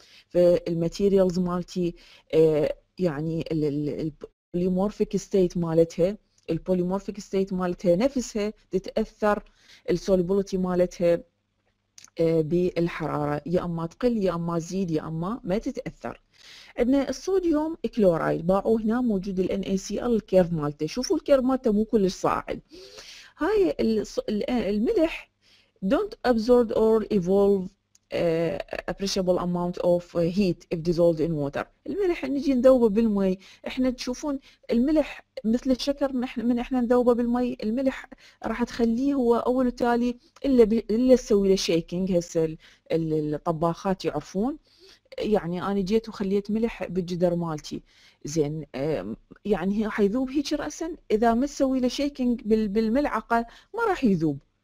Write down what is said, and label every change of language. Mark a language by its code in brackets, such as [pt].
[ar] فالماتيريالز مالتي يعني البوليمورفيك ستيت مالتها، البوليمورفيك ستيت مالتها نفسها تتاثر السولوبيليتي مالتها بالحراره، يا اما تقل يا اما تزيد يا اما ما تتاثر. عندنا الصوديوم كلورايد، باعوه هنا موجود ال NaCl الكيرف مالته، شوفوا الكيرف مالته مو كلش صاعد. هاي الملح [en] don't absorb or evolve appreciable amount of heat if dissolved in water. [ar] الملح نجي نذوبه بالمي، احنا تشوفون الملح مثل الشكر، من احنا نذوبه بالمي الملح راح تخليه هو اول وتالي الا تسوي له شيكينج. هسه الطباخات يعرفون، يعني انا جيت وخليت ملح بالجدر مالتي زين، يعني حيذوب هيك راسا اذا ما تسوي له شيكينج بالملعقه ما راح يذوب.